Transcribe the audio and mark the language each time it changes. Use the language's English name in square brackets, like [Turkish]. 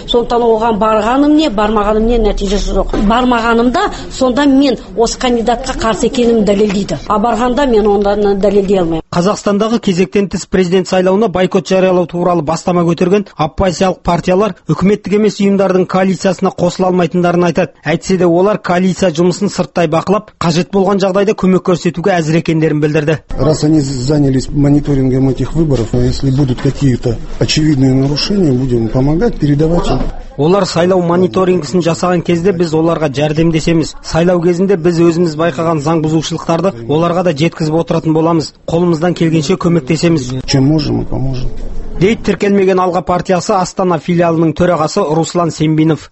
[Kazakh] Сондықтан оған барғаным не, бармағаным не нәтижесі жоқ. Бармағанымда сонда мен осы кандидатқа қарсы екенімді дәлелдейді. А барғанда мен оны дәлелдей алмаймын. Қазақстандағы кезектен тыс президент сайлауына байкот жариялау туралы бастама көтерген оппозициялық партиялар үкіметтік емес ұйымдардың коалициясына қосыла алмайтындарын айтады. Әйтсе де олар коалиция жұмысын сырттай бақылап, қажет болған жағдайда көмек көрсетуге әзір екендерін білдірді. [Russian] Раз они занялись мониторингом этих выборов, а если будут какие-то очевидные нарушения, будем помогать, передавать им. [Kazakh] Олар сайлау мониторингісін жасаған кезде біз оларға жәрдемдесеміз. Сайлау кезінде біз өзіміз байқаған заң бұзушылықтарды оларға да жеткізіп отыратын боламыз. Қолымыздан келгенше көмектесеміз. [Russian] Чем можем, поможем. [Kazakh] Дейт тіркелмеген Алға партиясы Астана филиалының төрағасы Руслан Сембинов.